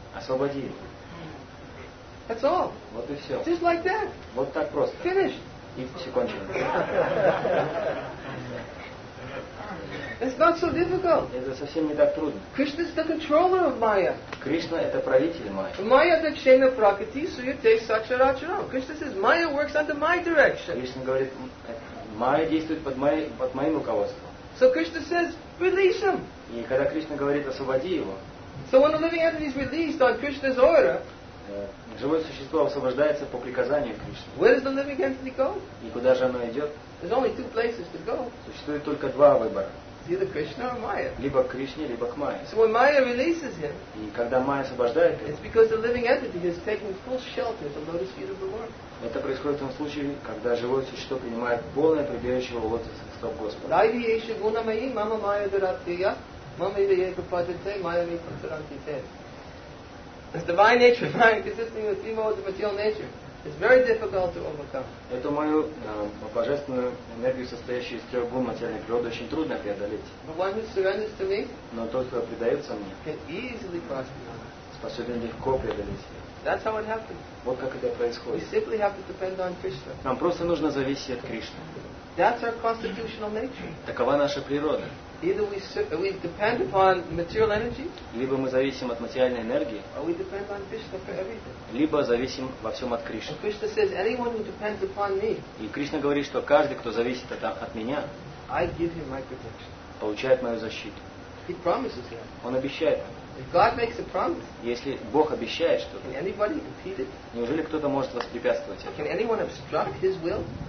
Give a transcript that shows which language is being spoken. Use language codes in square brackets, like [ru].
[ru] Освободи его. [en] That's all. [ru] Вот и все. [en] Just like that. [ru] Вот так просто. [en] Finished. [ru] И все кончено. [en] It's not so difficult. [ru] Это совсем не так трудно. [en] Krishna is the controller of Maya. [ru] Кришна это правитель Майи. [en] Maya the chain of prakriti, so you take such a rational. Krishna says Maya works under my direction. [ru] Кришна говорит, Майя действует под моим руководством. [en] So Krishna says, release him. [ru] И когда Кришна говорит, освободи его. [en] So when a living entity is released on Krishna's order. [ru] Живое существо освобождается по приказанию Кришны. [en] Where is the living entity go? [ru] И куда же оно идет? [en] There's only two places to go. [ru] Существует только два выбора. [en] Either Krishna or Maya. [ru] Либо к Кришне, либо к Майе. [en] So when Maya releases him. [ru] И когда Майя освобождает его. [en] It's because the living entity has taken full shelter at the lotus feet of the Lord. [ru] Это происходит в том случае, когда живое существо принимает полное прибежище у лотоса стоп Господа. [sa] Дайви еши гуна маи, мама Майя дараттия, мама ида ека паджете, Майя ми патарантите. [en] It's divine nature, mind consisting of three modes of material nature. It's very difficult to overcome. [ru] Эту мою божественную энергию, состоящую из трех гун материальной природы, очень трудно преодолеть. [en] But one who surrenders to me, [ru] но тот, кто предается мне, [en] can easily cross beyond. [ru] Способен легко преодолеть. [en] That's how it happens. [ru] Вот как это происходит. [en] We simply have to depend on Krishna. [ru] Нам просто нужно зависеть от Кришны. [en] That's our constitutional nature. [ru] Такова наша природа. [en] Either we depend upon material energy, [ru] либо мы зависим от материальной энергии, [en] or we depend on Krishna for everything. [ru] Либо зависим во всем от Кришны. [en] And Krishna says, anyone who depends upon me, [ru] и Кришна говорит, что каждый, кто зависит от меня, [en] I give him my protection. [ru] Получает мою защиту. [en] He promises that. [ru] Он обещает. [en] If God makes a promise, [ru] если Бог обещает что-то, [en] can anybody impede it? [ru] Неужели кто-то может воспрепятствовать? [en] Can anyone obstruct his will?